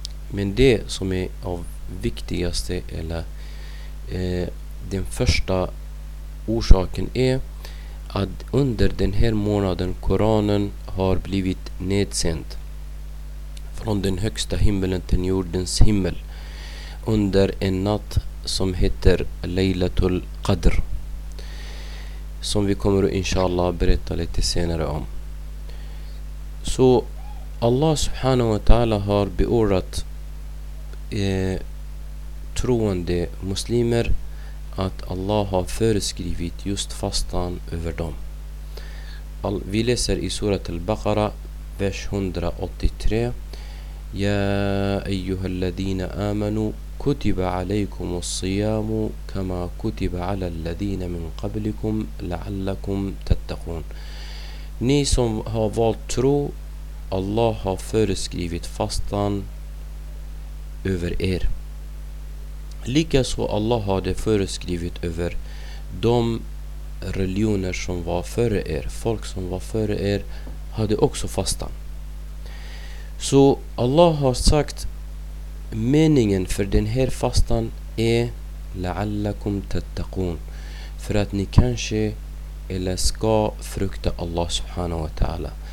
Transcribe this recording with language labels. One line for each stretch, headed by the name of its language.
Swedish: Men det som är av viktigaste, eller den första orsaken, är att under den här månaden Koranen har blivit nedsänd från den högsta himmelen till jordens himmel under en natt som heter Laylatul Qadr, som vi kommer att inshallah berätta lite senare om. Så Allah subhanahu wa ta'ala har beordrat troende muslimer att Allah har föreskrivit just fastan över dem. Vi läser i surat al-Baqara, vers 183:
Arabic: Ja ayyuhal ladina amanu كتب عليكم الصيام كما كتب على الذين من قبلكم لعلكم تتقون.
Swedish: Ni som har valt tro, Allah har föreskrivit fastan över er, likaså Allah har det föreskrivit över de religioner som var före er. Folk som var före er hade också fastan. Så Allah har sagt, meningen för den här fastan är
Arabic: la'allakum tattaqun,
Swedish: för att ni kanske eller ska frukta Allah subhanahu wa ta'ala.